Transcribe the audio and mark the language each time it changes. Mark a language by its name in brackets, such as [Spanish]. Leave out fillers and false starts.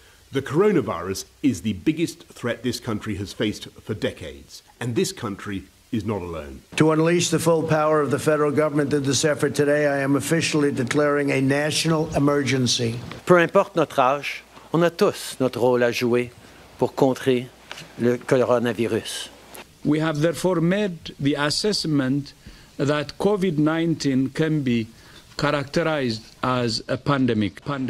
[English] The coronavirus is the biggest threat this country has faced for decades, and this country is not alone. To unleash the full power of the federal government in this effort today, I am officially declaring a national emergency. [French] Peu importe notre âge, on a tous notre rôle à jouer pour contrer le coronavirus. [English] We have therefore made the assessment that COVID-19 can be characterized as a pandemic.